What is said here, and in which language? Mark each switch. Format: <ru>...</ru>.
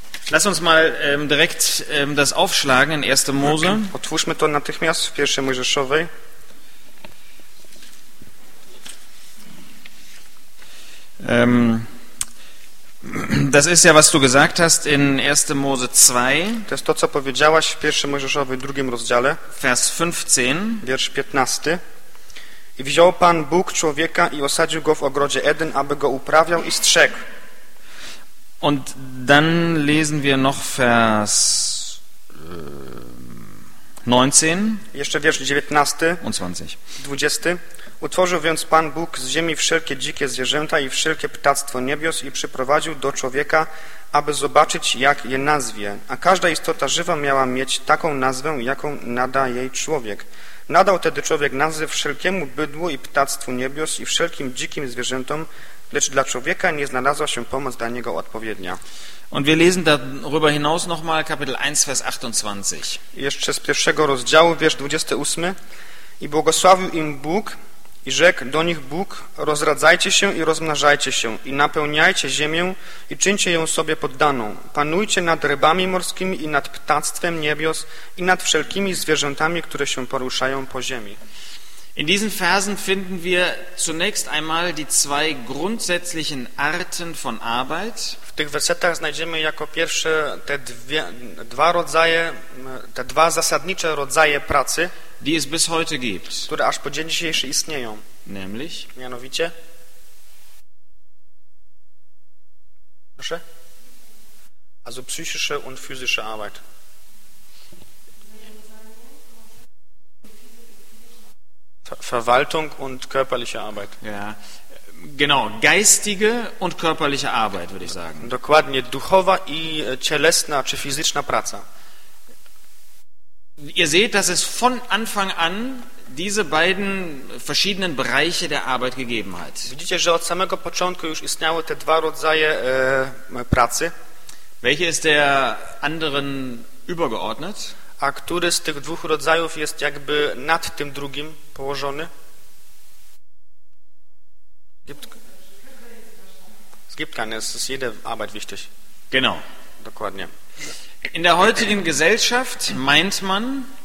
<de>Lass uns mal direkt das aufschlagen in 1. Mose.</de> <pl>Otwórzmy to natychmiast w pierwszej Mojżeszowej.</pl> <de>Das ist ja, was du gesagt hast in 1. Mose 2.</de> <pl>To jest to, co powiedziałaś w 1. Mojżeszowej 2 rozdziale.</pl> <de>Vers 15.</de> <pl>Wiersz 15. I wziął Pan Bóg człowieka i osadził go w ogrodzie Eden, aby go uprawiał i strzegł.</pl> <de>Und dann lesen wir noch Vers 19.</de> <pl>Jeszcze wiersz 19.</pl> <de>Und 20.</de> <pl>20. Utworzył więc Pan Bóg z ziemi wszelkie dzikie zwierzęta i wszelkie ptactwo niebios i przyprowadził do człowieka aby zobaczyć, jak je nazwie. A każda istota żywa miała mieć taką nazwę, jaką nada jej człowiek. Nadał tedy człowiek nazwę wszelkiemu bydłu i ptactwu niebios i wszelkim dzikim zwierzętom, lecz dla człowieka nie znalazła się pomoc dla niego odpowiednia.</pl> <de>Und wir lesen darüber hinaus noch mal Kapitel 1, Vers 28.</de> <pl>Jeszcze z pierwszego rozdziału, wiersz 28. I błogosławił im Bóg i rzekł do nich Bóg, rozradzajcie się i rozmnażajcie się i napełniajcie ziemię i czyńcie ją sobie poddaną. Panujcie nad rybami morskimi i nad ptactwem niebios i nad wszelkimi zwierzętami, które się poruszają po ziemi.</pl> <de>In diesen Versen finden wir zunächst einmal die zwei grundsätzlichen Arten von Arbeit.</de> <pl>W tych wersetach znajdziemy jako pierwsze te dwa zasadnicze rodzaje pracy,</pl> <de>die es bis heute gibt.</de> <pl>Które aż po dzień dzisiejszy istnieją.</pl> <de>Nämlich?</de> <pl>Mianowicie? Proszę?</pl> <de>Also psychische und physische Arbeit. Verwaltung und körperliche Arbeit. Ja, genau, geistige und körperliche Arbeit, würde ich sagen.</de> <pl>Dokładnie, duchowa i cielesna czy fizyczna praca.</pl> <de>Ihr seht, dass es von Anfang an diese beiden verschiedenen Bereiche der Arbeit gegeben hat.</de> <pl>Widzicie, że od samego początku już istniały te dwa rodzaje pracy.</pl> <de>Welche ist der anderen übergeordnet?</de> <pl>A który z tych dwóch rodzajów jest jakby nad tym drugim położony?</pl> <de>Es gibt keine, es ist jede Arbeit wichtig. Genau.</de> <pl>Dokładnie.</pl> <de>In der heutigen Gesellschaft meint man,</de>